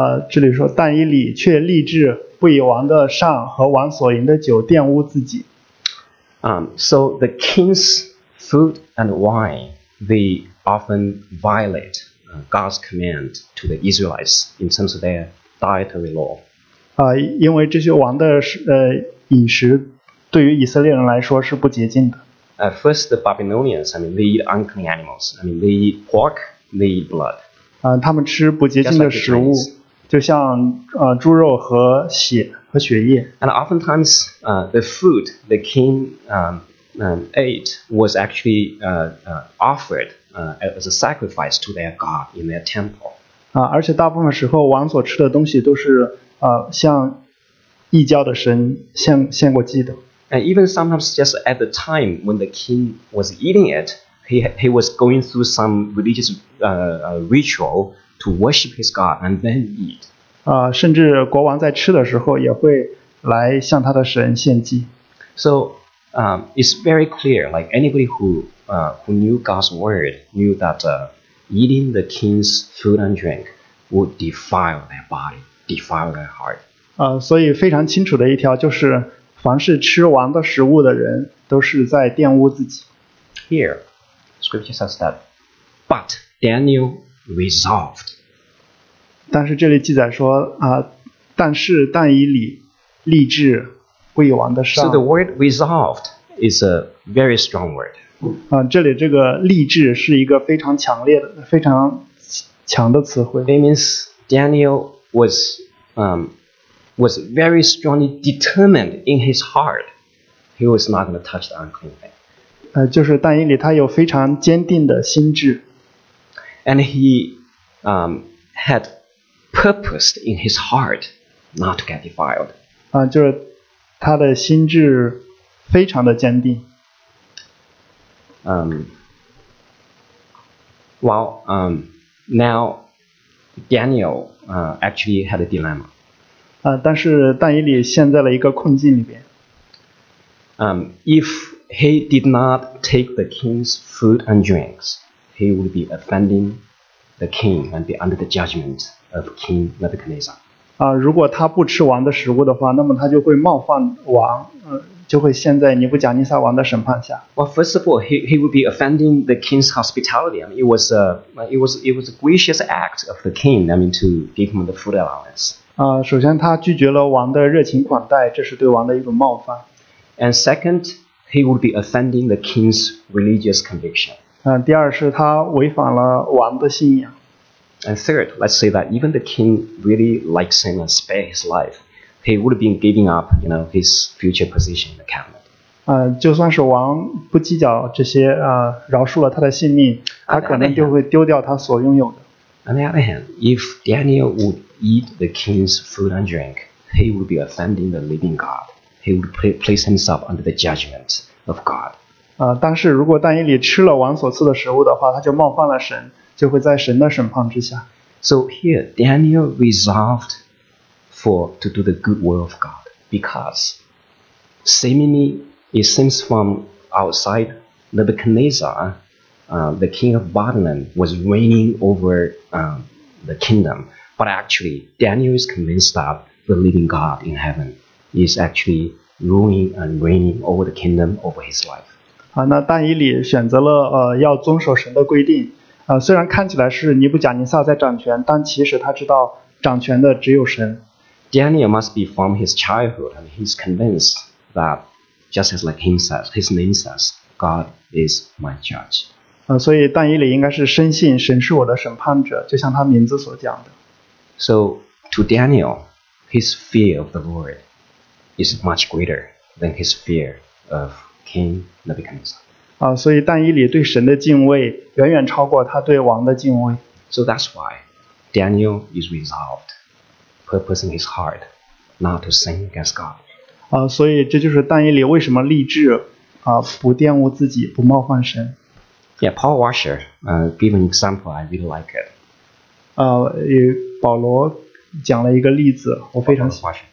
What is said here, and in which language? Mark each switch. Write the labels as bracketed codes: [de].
[zh] 这里说但以理却立志不以王的膳和王所饮的酒玷污自己。 [en] So the king's food and wine, they often violate God's command to the Israelites in terms of their dietary law. [zh] 因为这些王的饮食对于以色列人来说是不洁净的。 [en] First, the Babylonians, I mean, they eat unclean animals. I mean, they eat pork, they eat blood. [zh] 他们吃不洁净的食物，就像猪肉和血和血液。 [en] And oftentimes, the food the king ate was actually offered as a sacrifice to their god in their temple. [zh] 而且大部分时候，王所吃的东西都是向异教的神献过祭的。 [en] And even sometimes just at the time when the king was eating it, he was going through some religious ritual to worship his god and then eat. [zh] 甚至国王在吃的时候也会来向他的神献祭。 [en] So it's very clear, like anybody who knew God's word knew that eating the king's food and drink would defile their body, defile their heart. [zh] 所以非常清楚的一条就是凡是吃王的食物的人都是在玷污自己。 [en] Here, scripture says that, but Daniel resolved. [zh] 但是这里记载说但是但以理立志不以王的膳。 [en] So the word resolved is a very strong word. [zh] 这里这个立志是一个非常强烈的非常强的词汇。 [en] It means Daniel was very strongly determined in his heart. He was not going to touch the unclean thing. [zh] 就是但以理他有非常坚定的心志。 [en] And he had purposed in his heart not to get defiled. [zh] 就是他的心智非常的坚定。 [en] Now Daniel actually had a dilemma. [zh] 但是但以理陷在了一个困境里边。 [en] If he did not take the king's food and drinks, he would be offending the king and be under the judgment of King Nebuchadnezzar. [zh] 如果他不吃王的食物的话，那么他就会冒犯王，就会陷在尼布甲尼撒王的审判下。 [en] Well, first of all, he would be offending the king's hospitality. I mean, it was a gracious act of the king. I mean, to give him the food allowance. [zh] 首先他拒绝了王的热情款待，这是对王的一种冒犯。 [en] And second, he would be offending the king's religious conviction. [zh] 第二是他违反了王的信仰。 [en] And third, let's say that even the king really likes him and spare his life, he would have been giving up, you know, his future position in the cabinet. [zh] 就算是王不计较这些饶恕了他的性命，他可能就会丢掉他所拥有的。 [en] On the other hand, if Daniel would eat the king's food and drink, he would be offending the living God. He would place himself under the judgment of God. [zh] 但是如果但以理吃了王所赐的食物的话，他就冒犯了神，就会在神的审判之下。 [en] So here, Daniel resolved to do the good will of God because seemingly it seems from outside Nebuchadnezzar, the king of Babylon was reigning over the kingdom. But actually, Daniel is convinced that the living God in heaven. Is actually ruling and reigning over the kingdom over his life. [zh] 那但以理选择了要遵守神的规定。虽然看起来是尼布甲尼撒在掌权，但其实他知道掌权的只有神。 [en] Daniel must be from his childhood, and he's convinced that, just as like his name says, God is my judge. [zh] 所以但以理应该是深信神是我的审判者，就像他名字所讲的。 [en] So to Daniel, his fear of the Lord. Is much greater than his fear of King Nebuchadnezzar. [zh] 所以但以理对神的敬畏远远超过他对王的敬畏。 [en] So that's why Daniel is resolved, purposing his heart not to sin against God. [zh] 所以这就是但以理为什么立志不玷污自己，不冒犯神。 [en] Yeah, Paul Washer, gave an example. I really like it. [zh] 保罗讲了一个例子，我非常喜欢。